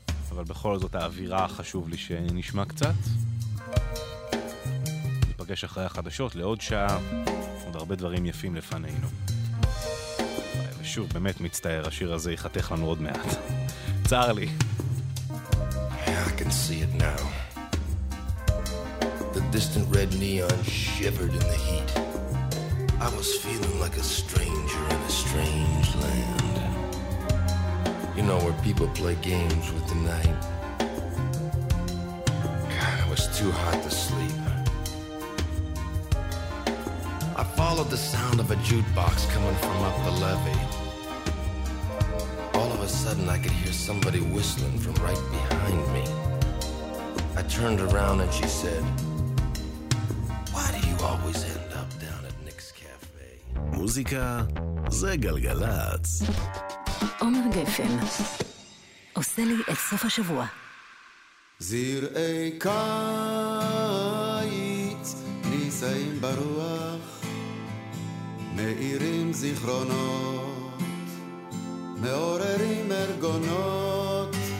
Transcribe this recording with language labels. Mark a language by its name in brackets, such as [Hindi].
[Hebrew] אבל בכל זאת האווירה חשוב לי שנשמע קצת. ניפגש אחרי החדשות לעוד שעה, עוד הרבה דברים יפים לפנינו. ושוב, באמת מצטער, השיר הזה ייחתך לנו עוד מעט. צר לי. [English] I can see it now. The distant red neon shivered in the heat. I was feeling like a stranger in a strange land. You know where people play games with the night. God, it was too hot to sleep. I followed the sound of a jukebox coming from up the levee. All of a sudden I could hear somebody whistling from right behind me. I turned around and she said, why do you always end up down at Nick's Cafe? [Hebrew] Musica ze galgalatz. עומר גפן עושה לי את סוף השבוע. זרעי קיץ ניסעים ברוח, מאירים זיכרונות, מעוררים ארגונות.